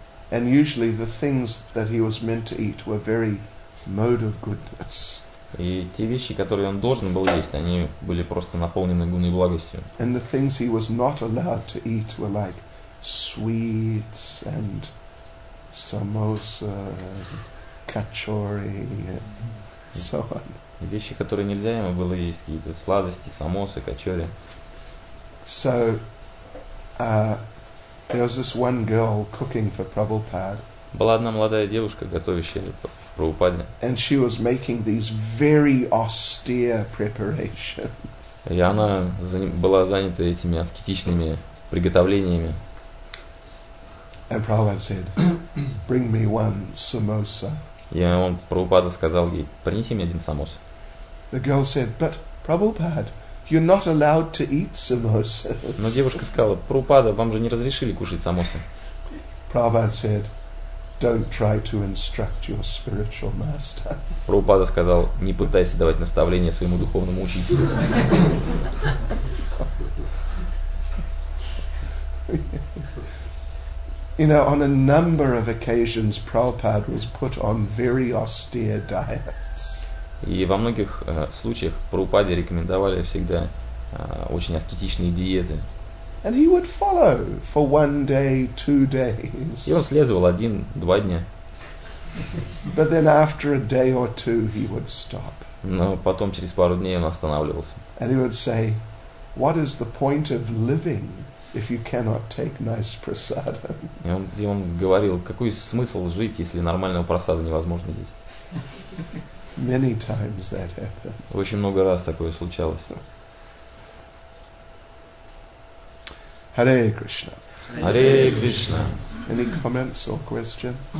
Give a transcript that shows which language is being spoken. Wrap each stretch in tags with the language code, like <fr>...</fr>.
<en>And usually the things that he was meant to eat were very mode of goodness.</en> <ru>И те вещи, которые он должен был есть, они были просто наполнены гуной благостью.</ru> <en>And the things he was not allowed to eat were like sweets and samosa, kachori and so on.</en> <ru>И вещи, которые нельзя ему было есть, какие-то сладости, самосы, кочори.</ru> <en>So, there was this one girl cooking for Prabhupada.</en> <ru>Была одна молодая девушка, готовящая Прабхупаде.</ru> <en>And she was making these very austere preparations.</en> <ru>И она была занята этими аскетичными приготовлениями.</ru> <en>And Prabhupada said, "Bring me one samosa."</en> <ru>И он Прабхупада сказал ей, принеси мне один самос.</ru> <en>The girl said, "But Prabhupada, you're not allowed to eat samosas."</en> <ru>Но девушка сказала, Прабхупада, вам же не разрешили кушать самосы.</ru> <en>Prabhupada said, "Don't try to instruct your spiritual master."</en> <ru>Прабхупада сказал, не пытайся давать наставления своему духовному учителю.</ru> <en>You know, on a number of occasions, Prabhupada was put on very austere diets.</en> <ru>И во многих случаях Прабхупаде рекомендовали всегда очень аскетичные диеты.</ru> <en>And he would follow for one day, two days.</en> <ru>И он следовал один-два дня.</ru> <en>But then after a day or two, he would stop.</en> <ru>Но потом через пару дней он останавливался.</ru> <en>And he would say, "What is the point of living if you cannot take nice prasadam?"</en> <ru>И он говорил, какой смысл жить, если нормального прасада невозможно есть.</ru> <en>Many times that happened.</en> <ru>Очень много раз такое случалось.</ru> <sa>Hare Krishna. Hare Krishna.</sa> <en>Any comments or questions?</en>